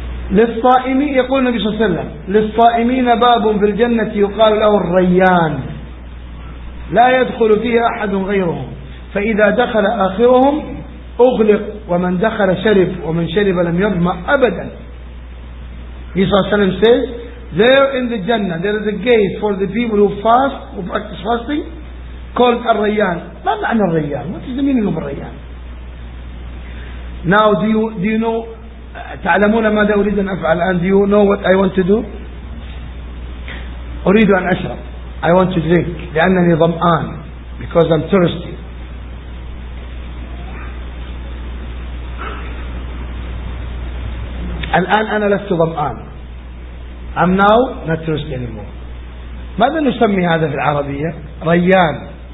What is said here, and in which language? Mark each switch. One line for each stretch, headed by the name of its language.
Arabic: للصائمين يقول النبي صلى الله عليه وسلم للصائمين باب في الجنة يقال له الريان لا يدخل فيها أحد غيرهم فإذا دخل آخرهم أغلق ومن دخل شرب ومن شرب لم يظمأ أبدا.
English: He
Arabic: صلى الله عليه وسلم
English: says there in the Jannah there is a gate for the people who fast who practice fasting called الريان.
Arabic: ما معنى الريان؟
English: What is the meaning of الريان؟ Now do you know
Arabic: تعلمون ماذا أريد أن أفعل الآن؟
English: Do you know what I want to do؟
Arabic: أريد أن أشرب.
English: I want to drink
Arabic: لأنني ضمآن.
English: Because I'm thirsty.
Arabic: الآن أنا لست ضمآن.
English: I'm now not thirsty anymore.
Arabic: ماذا نسمي هذا في العربية؟ ريان.